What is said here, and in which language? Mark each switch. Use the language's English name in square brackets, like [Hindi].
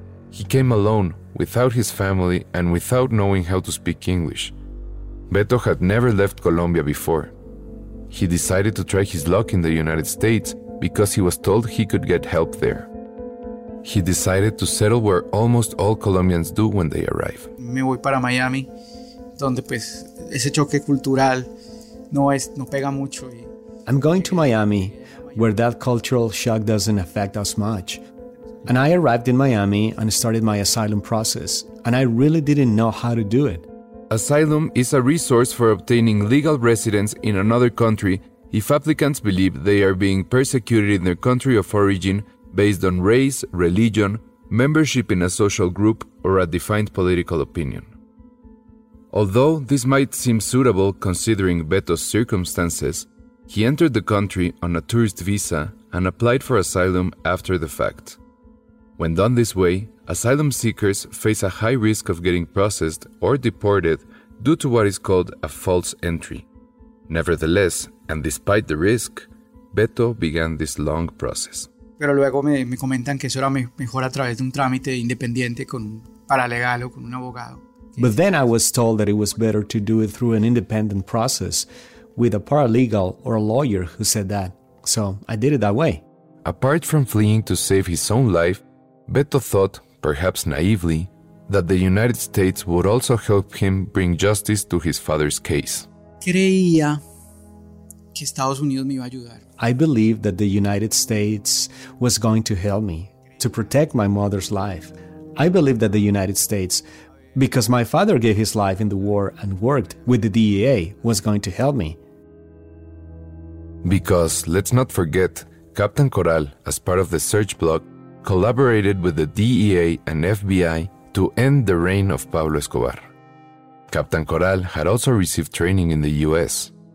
[English] He came alone, without his family, and without knowing how to speak English. Beto had never left Colombia before. He decided to try his luck in the United States because he was told he could get help there. He decided to settle where almost all Colombians do when they arrive. [Spanish] Me voy para Miami, donde pues ese choque cultural. [English] I'm going to Miami, where that cultural shock doesn't affect us much. And I arrived in Miami and started my asylum process, and I really didn't know how to do it. Asylum is a resource for obtaining legal residence in another country if applicants believe they are being persecuted in their country of origin based on race, religion, membership in a social group, or a defined political opinion. Although this might seem suitable considering Beto's circumstances, he entered the country on a tourist visa and applied for asylum after the fact. When done this way, asylum seekers face a high risk of getting processed or deported due to what is called a false entry. Nevertheless, and despite the risk, Beto began this long process. [Spanish] Pero luego me comentan que eso era mejor a través de un trámite independiente con paralegal o con un abogado. [English] But then I was told that it was better to do it through an independent process with a paralegal or a lawyer who said that. So I did it that way. Apart from fleeing to save his own life, Beto thought, perhaps naively, that the United States would also help him bring justice to his father's case. [Spanish] Creía que Estados Unidos me iba a ayudar. [English] I believed that the United States was going to help me to protect my mother's life. I believed that the United States, because my father gave his life in the war and worked with the DEA, was going to help me. Because, let's not forget, Captain Coral, as part of the search block, collaborated with the DEA and FBI to end the reign of Pablo Escobar. Captain Coral had also received training in the US.